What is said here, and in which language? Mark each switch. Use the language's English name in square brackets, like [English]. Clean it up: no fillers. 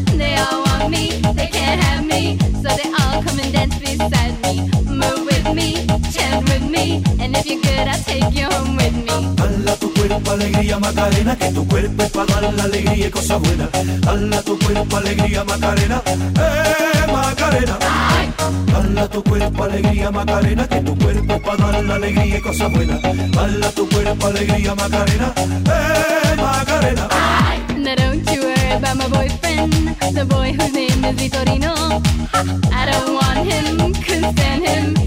[English] They all want me, they can't have me. So they all come and dance beside me. Move with me, chant with me. And if you're good, I'll take you home with me. [Spanish] Hala tu cuerpo, alegría, Macarena. Que tu cuerpo es para dar la alegría y cosa buena. Hala tu cuerpo, alegría, Macarena. ¡Eh, Macarena! Hala tu cuerpo, alegría, Macarena. Que tu cuerpo es para dar la alegría y cosa buena. Hala tu cuerpo, alegría, Macarena. Hey, Macarena. [English] Now don't you worry about my boyfriend, the boy whose name is Vitorino. I don't want him, couldn't stand him.